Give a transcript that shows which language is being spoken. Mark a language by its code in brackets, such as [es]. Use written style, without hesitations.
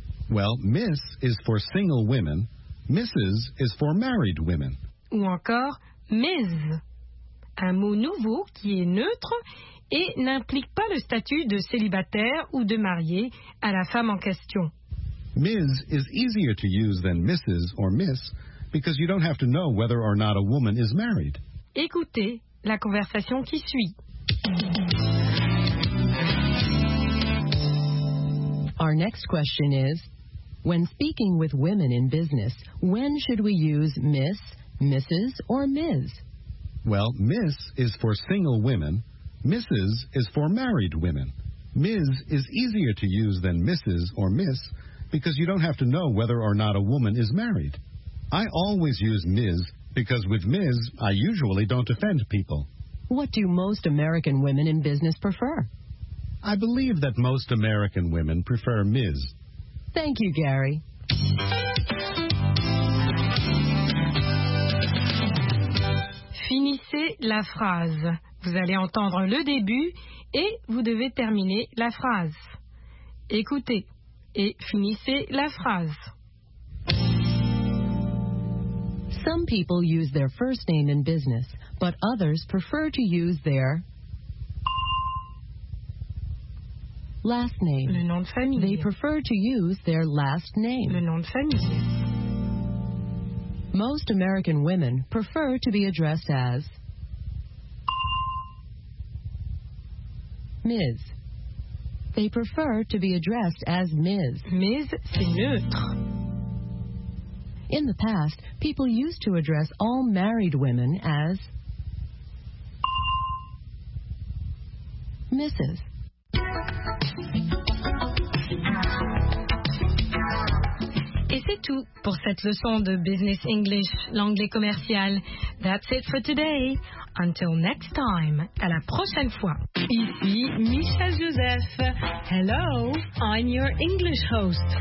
[en] Well, Miss is for single women, Mrs. is for married women. [fr] Ou encore, Ms. Un mot nouveau qui est neutre et n'implique pas le statut de célibataire ou de marié à la femme en question. [en] Ms. is easier to use than Mrs. or Miss because you don't have to know whether or not a woman is married. [fr] Écoutez la conversation qui suit. [en] Our next question is, when speaking with women in business, when should we use Miss, Mrs. or Ms.? Well, Miss is for single women, Mrs. is for married women. Ms. is easier to use than Mrs. or Miss because you don't have to know whether or not a woman is married. I always use Ms. because with Ms. I usually don't offend people. What do most American women in business prefer? I believe that most American women prefer Ms. Thank you, Gary. [fr] Finissez la phrase. Vous allez entendre le début et vous devez terminer la phrase. Écoutez et finissez la phrase. [en] Some people use their first name in business, but others prefer to use their last name. [fr] Le nom de famille. [en] They prefer to use their last name. [fr] Le nom de famille. [en] Most American women prefer to be addressed as Ms. They prefer to be addressed as Ms. [fr] Ms, c'est neutre. [en] In the past, people used to address all married women as Mrs. [fr] Et c'est tout pour cette leçon de Business English, l'anglais commercial. [en] That's it for today. Until next time, [fr] à la prochaine fois. [en] Ici Michel Joseph. Hello, I'm your English host.